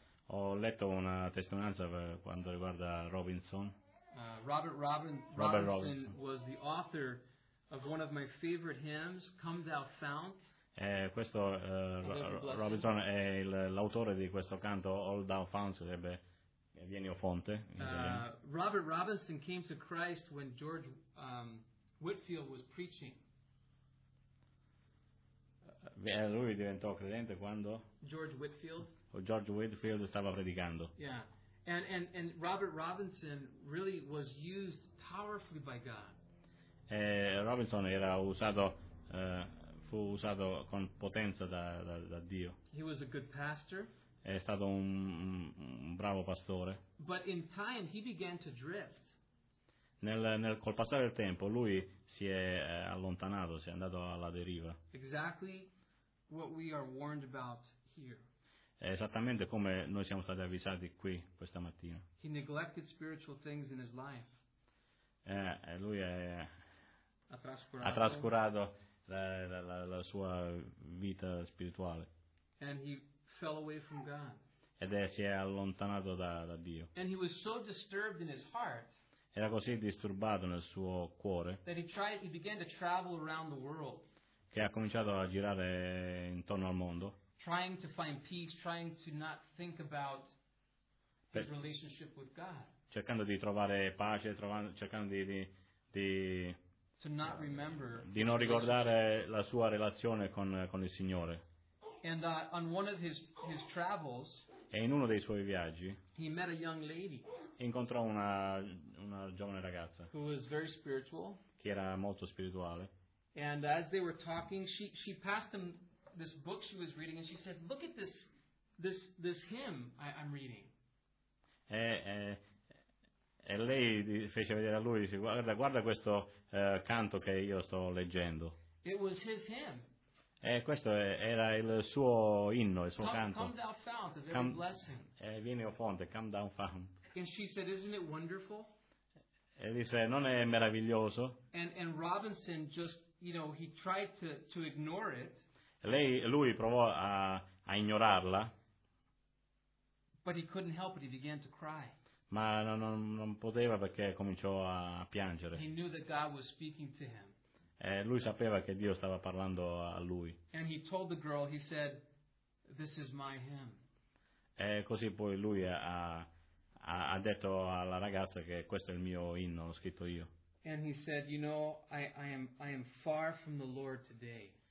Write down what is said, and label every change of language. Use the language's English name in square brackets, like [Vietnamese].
[Italian] Ho letto una testimonianza per quanto riguarda Robinson. [English] Robert Robinson was the author of one of my favorite hymns, Come Thou Fount. [Italian] Questo Robinson è l'autore di questo canto, All Thou Fount, sarebbe Vieni o Fonte. [English] Robert Robinson came to Christ when George Whitfield was preaching. [Italian] Lui diventò credente quando George Whitfield stava predicando. [English] Yeah. And Robert Robinson really was used powerfully by God. [Italian] Robinson era usato fu usato con potenza da Dio. [English] He was a good pastor. [Italian] È stato un bravo pastore. [English] But in time he began to drift. [Italian] Col passare del tempo lui si è allontanato, si è andato alla deriva. [English] Exactly what we are warned about here. [Italian] Esattamente come noi siamo stati avvisati qui questa mattina. [English] He neglected spiritual things in his life. [Italian] Lui ha trascurato la sua vita spirituale. [English] And he fell away from God. [Italian] Ed si è allontanato da Dio. [English] And he was so disturbed in his heart. [Italian] Era così disturbato nel suo cuore. [English] That he began to travel around the world. [Italian] Che ha cominciato a girare intorno al mondo. [English] Trying to find peace, trying to not think about his relationship with God. [Italian] Cercando di trovare pace, cercando di [English] to not remember [Italian] di non ricordare la sua relazione con il Signore. [English] And on one of his travels, [Italian] e in uno dei suoi viaggi [English] he met a young lady, [Italian] incontrò una giovane ragazza [English] who was very spiritual, [Italian] che era molto spirituale. [English] And as they were talking, she passed him this book she was reading, and she said, "Look at this hymn I'm reading." [Italian] E lei fece vedere a lui, dice, guarda questo canto che io sto leggendo. [English] It was his hymn. [Italian] E questo era il suo inno, il suo canto. [English] Come thou fount of every blessing. [Italian] Vieni o fonte, come thou fount. [English] And she said, "Isn't it wonderful?" [Italian] E disse, non è meraviglioso? [English] And Robinson just, you know, he tried to ignore it. [Italian] Lui provò a ignorarla. [English] But he couldn't help it. He began to cry. [Italian] Ma non poteva perché cominciò a piangere. [English] He knew that God was speaking to him. [Italian] Lui sapeva che Dio stava parlando a lui. [English] And he told the girl, he said, "This is my hymn." [Italian] Così poi lui ha detto alla ragazza che questo è il mio inno, l'ho scritto io. [English] And he said, "You know, I am far from the Lord today."